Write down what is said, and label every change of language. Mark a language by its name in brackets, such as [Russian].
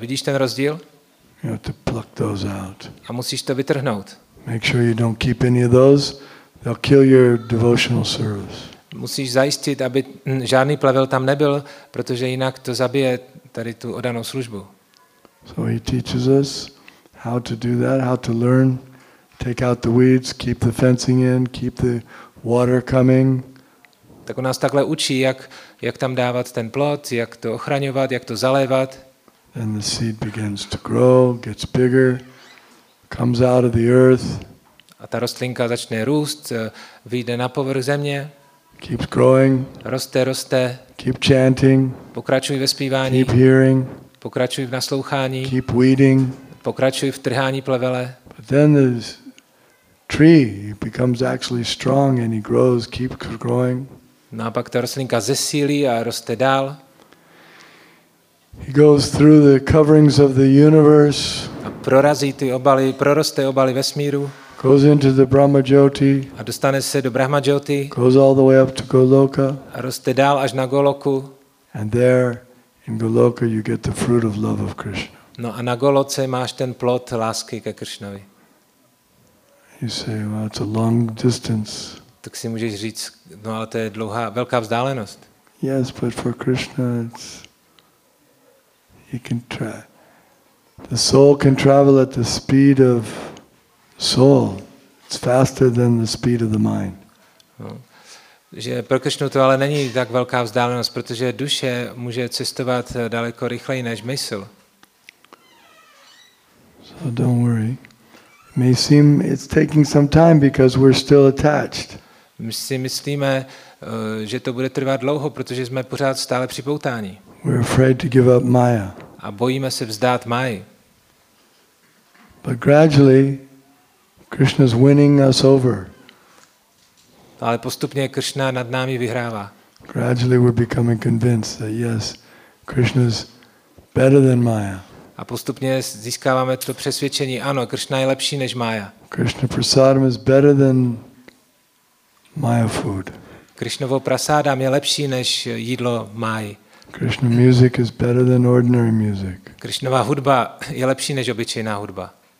[Czech] Vidíš ten rozdíl? [English] You have to pluck those out. [Czech] A musíš to vytrhnout. [English] Make sure you don't keep any of those. They'll kill your devotional service. [Czech] Musíš zajistit, aby žádný plevel tam nebyl, protože jinak to zabije tady tu odanou službu. [English] So he teaches us how to do that, how to learn, take out the weeds, keep the fencing in, keep the water coming. [Czech] Tak on nás takhle učí, jak tam dávat ten plot, jak to ochraňovat, jak to zalévat. [English] And the seed begins to grow, gets bigger, comes out of the earth. [Czech] A ta rostlinka začne růst, vyjde na povrch země. [English] Keeps growing. [Czech] Roste. [English] Keep chanting. [Czech] Pokračuj ve zpívání. [English] Keep hearing. [Czech] Pokračuj v naslouchání. [English] Keep weeding. [Czech] Pokračuj v trhání plevele. [English] But then the tree becomes actually strong and he grows, keeps growing. [Czech] No a pak ta rostlinka zesílí a roste dál. [English] He goes through the coverings of the universe. [Czech] A prorazí ty obaly, proroste obaly vesmíru. [English] Goes into the Brahma Jyoti. [Czech] A dostane se do Brahma Jyoti. [English] Goes all the way up to Goloka. [Czech] A roste dál až na Goloku. [English] And there in Goloka you get the fruit of love of Krishna. [Czech] No a na Goloce máš ten plod lásky ke Krishnovi. [English] You say, well, it's a long distance. [Czech] Tak si můžeš říct, no ale to je dlouhá, velká vzdálenost. [English] Yes, but for Krishna it's he can try. The soul can travel at the speed of soul, it's faster than the speed of the mind. [Czech] No. Že pro Krishnu to ale není tak velká vzdálenost, protože duše může cestovat daleko rychleji než mysl. [English] So don't worry. It may seem it's taking some time because we're still attached. [Czech] My si myslíme, že to bude trvat dlouho, protože jsme pořád stále připoutáni. [English] We're afraid to give up Maya. [Czech] A bojíme se vzdát Maji. [English] But gradually Krishna's winning us over. [Czech] Ale postupně Krishna nad námi vyhrává. [English] Gradually we're becoming convinced that yes, Krishna's better than Maya. [Czech] A postupně získáváme to přesvědčení, ano, Krishna je lepší než Maya. [English] Krishna prasadam is better than Maya food. [Czech] Krishnovo prasadam je lepší než jídlo Maji. [English] Krishna music is better than ordinary music. [Czech] Krishnova hudba je lepší než obyčejná hudba.